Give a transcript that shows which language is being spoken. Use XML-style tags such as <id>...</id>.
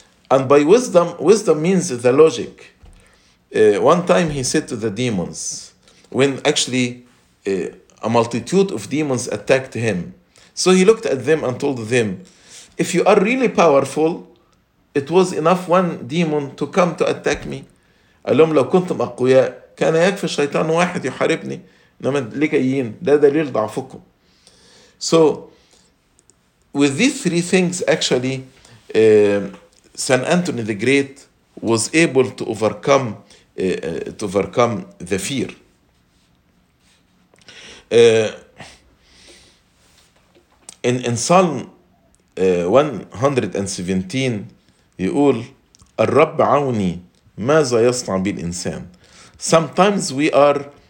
<en>And by wisdom means the logic. One time he said to the demons, when actually a multitude of demons attacked him, so he looked at them and told them, if you are really powerful, it was enough one demon to come to attack me.</en> <ar>قالهم لو كنتم أقوياء كان يكفي شيطان واحد يحاربني. إنما ليه جايين؟ ده دليل ضعفكم.</ar> <en>So with these three things actually, Saint Anthony the Great was able to overcome the fear. In Psalm 117</en> <ar>يقول الرب عوني ماذا يصنع بالإنسان.</ar> <en>Sometimes we are</en>